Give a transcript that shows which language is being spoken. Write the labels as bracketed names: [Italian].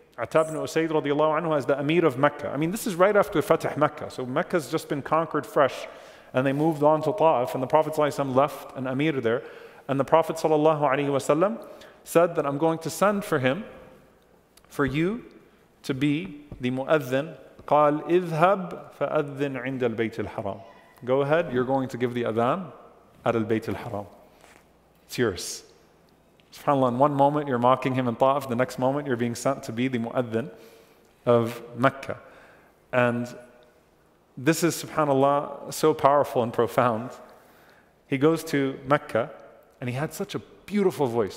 [English] Attab ibn Usayd radiallahu anhu as the Amir of Mecca. I mean, this is right after Fatah Mecca. So Mecca's just been conquered fresh and they moved on to Ta'if, and the Prophet ﷺ left an Amir there. And the Prophet ﷺ said that I'm going to send for him for you to be the Mu'adhin. [Arabic] قال اذهب فأذن عند البيت الحرام. [English] Go ahead, you're going to give the Adhan at al-Bayt al-Haram. It's yours. SubhanAllah, in one moment you're mocking him in Ta'if, the next moment you're being sent to be the Mu'adhin of Mecca. And this is, SubhanAllah, so powerful and profound. He goes to Mecca, and he had such a beautiful voice.